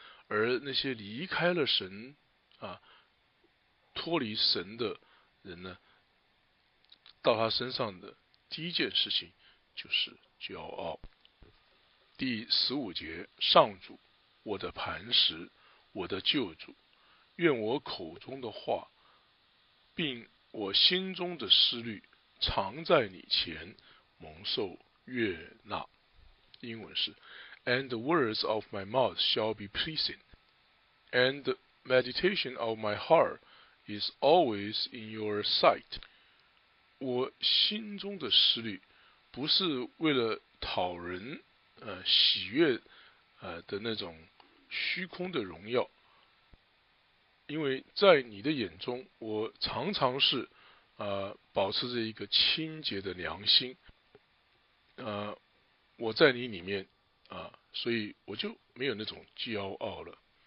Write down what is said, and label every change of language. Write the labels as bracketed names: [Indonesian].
[Chinese] 而那些离开了神脱离神的人呢，到他身上的第一件事情就是骄傲。第十五节，上主我的磐石我的救主，愿我口中的话并我心中的思虑常在你前蒙受悦纳。英文是 [English] And the words of my mouth shall be pleasing, and the meditation of my heart is always in your sight。 [Chinese] 我心中的思虑不是为了讨人喜悦的那种虚空的荣耀，因为在你的眼中我常常是保持着一个清洁的良心我在你里面所以我就没有那种骄傲了。